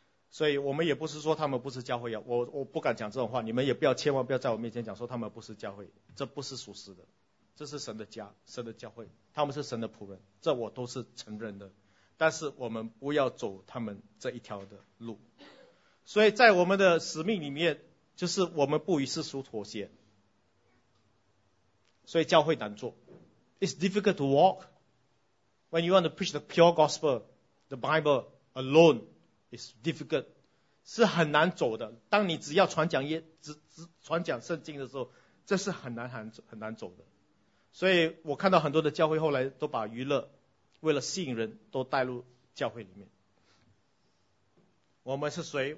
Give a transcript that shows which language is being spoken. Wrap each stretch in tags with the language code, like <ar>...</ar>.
<zh>所以我们也不是说他们不是教会啊，我不敢讲这种话，你们也不要千万不要在我面前讲说他们不是教会，这不是属实的，这是神的家，神的教会，他们是神的仆人，这我都是承认的。但是我们不要走他们这一条的路。所以在我们的使命里面，就是我们不与世俗妥协。所以教会难做。</zh> <en>It's difficult to walk when you want to preach the pure gospel, the Bible alone. It's difficult,</en> <zh>是很难走的。当你只要传讲传讲圣经的时候，这是很难走的。所以我看到很多的教会后来都把娱乐为了吸引人都带入教会里面。我们是谁？</zh>